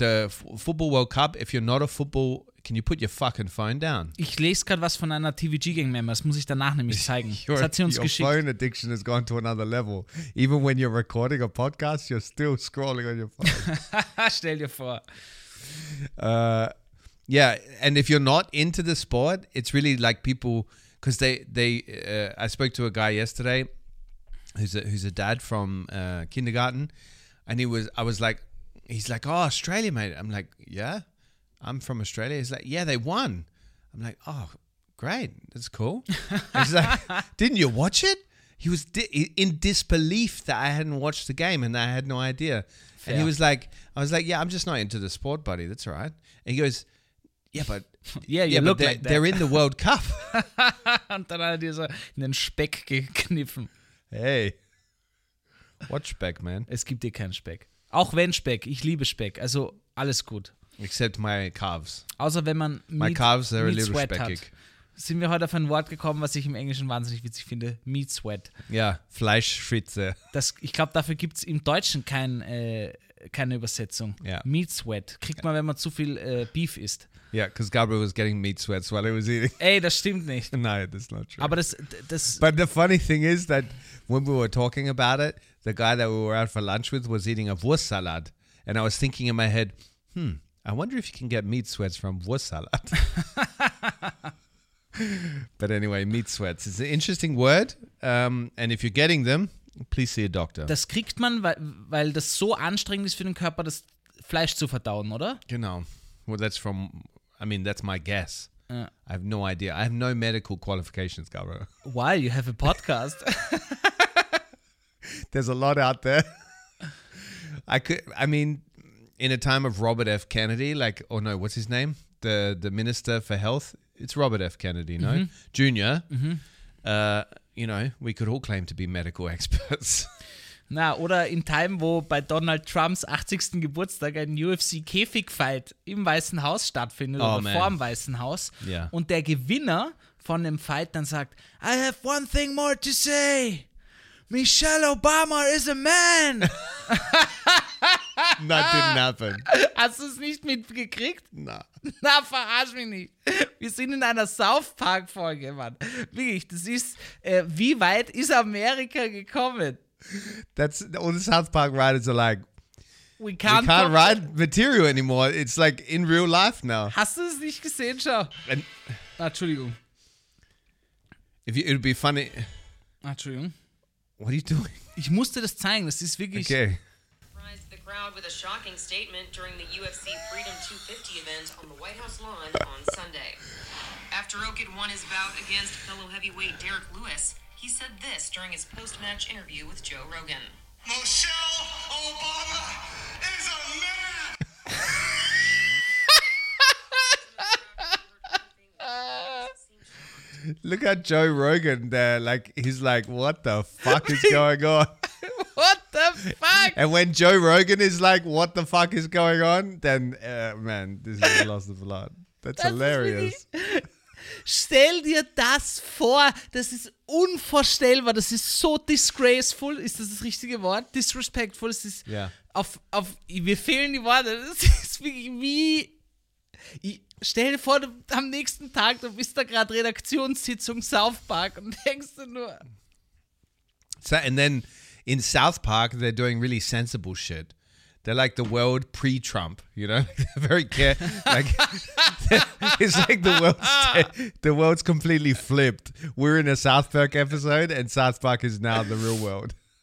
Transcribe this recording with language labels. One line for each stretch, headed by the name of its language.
English: Football World Cup, if you're not a football, can you put your fucking phone down?
German: Ich lese gerade was von einer TVG-Gang-Member, das muss ich danach nämlich zeigen. Das hat sie uns geschickt.
English: Your phone addiction has gone to another level. Even when you're recording a podcast, you're still scrolling on your phone.
German: Stell dir vor.
English: Yeah, and if you're not into the sport, it's really like people... Because I spoke to a guy yesterday who's a dad from kindergarten, and he's like, oh, Australia, mate. I'm like, yeah, I'm from Australia. He's like, yeah, they won. I'm like, oh, great. That's cool. He's like, didn't you watch it? He was in disbelief that I hadn't watched the game and I had no idea. Fair. And he was like, I was like, yeah, I'm just not into the sport, buddy. That's all right. And he goes, yeah, but Yeah, you look like that. They're in the World Cup.
German: Und dann hat er dir so in den Speck gekniffen.
English: Hey, what Speck, man?
German: Es gibt dir keinen Speck. Auch wenn Speck, ich liebe Speck, also alles gut.
English: Except my calves.
German: Außer wenn man
English: meat, my calves are meat a little sweat speckig.
German: Hat. Sind wir heute auf ein Wort gekommen, was ich im Englischen wahnsinnig witzig finde.
English: Meat sweat.
German: Ja, Fleischschwitze. Das, ich glaube, dafür gibt es im Deutschen kein, keine Übersetzung.
English: Yeah. Meat sweat.
German: Kriegt man, wenn man zu viel Beef isst.
English: Yeah, because Gabriel was getting meat sweats while he was eating.
German: Ey, das stimmt nicht.
English: No, that's not true.
German: Aber das
English: But the funny thing is that when we were talking about it, the guy that we were out for lunch with was eating a Wurstsalat. And I was thinking in my head, I wonder if you can get meat sweats from Wurstsalat. But anyway, meat sweats is an interesting word. And if you're getting them, please see a doctor.
German: Das kriegt man, weil das so anstrengend ist für den Körper, das Fleisch zu verdauen, oder? Genau.
English: Well, that's from, I mean, that's my guess. I have no idea. I have no medical qualifications, Gabriel. Why? You have a podcast. There's a lot out there. In a time of Robert F. Kennedy, what's his name? The Minister for Health. It's Robert F. Kennedy, no? Mm-hmm. Junior. Mm-hmm. We could all claim to be medical experts.
German: Na, oder in Time, wo bei Donald Trumps 80. Geburtstag ein UFC-Käfigfight im Weißen Haus stattfindet, vor dem Weißen Haus.
English: Yeah.
German: Und der Gewinner von dem Fight dann sagt,
English: I have one thing more to say. Michelle Obama is a man. That didn't happen.
German: Hast du es nicht mitgekriegt? Na. Na, verarsch mich nicht. Wir sind in einer South Park-Folge, Mann. Wirklich, das ist, wie weit ist Amerika gekommen?
English: That's all the South Park writers are like, we can't write material anymore. It's like in real life now.
German: Hast du es nicht gesehen, schau? Entschuldigung.
English: It'd be funny.
German: Entschuldigung.
English: What are you doing?
German: Ich musste das zeigen, das ist wirklich...
English: Okay. With a shocking statement during the UFC Freedom 250 event on the White House lawn on Sunday. After Okid won his bout against fellow heavyweight Derek Lewis, he said this during his post-match interview with Joe Rogan. Michelle Obama is a man! Look at Joe Rogan there. Like, he's like, what the fuck is going on? Fuck. And when Joe Rogan is like, what the fuck is going on? Then, man, this is a loss of blood. That's hilarious.
German: Stell dir das vor. Das ist unvorstellbar. Das ist so disgraceful. Ist das das richtige Wort? Disrespectful. Das ist
English: yeah.
German: auf, mir fehlen die Worte. Das ist wie... Stell dir vor, am nächsten Tag, du bist da gerade Redaktionssitzung South Park und denkst du nur...
English: So, and then... In South Park, they're doing really sensible shit. They're like the world pre-Trump, you know? They're very careful. Like, it's like the world's completely flipped. We're in a South Park episode and South Park is now the real world.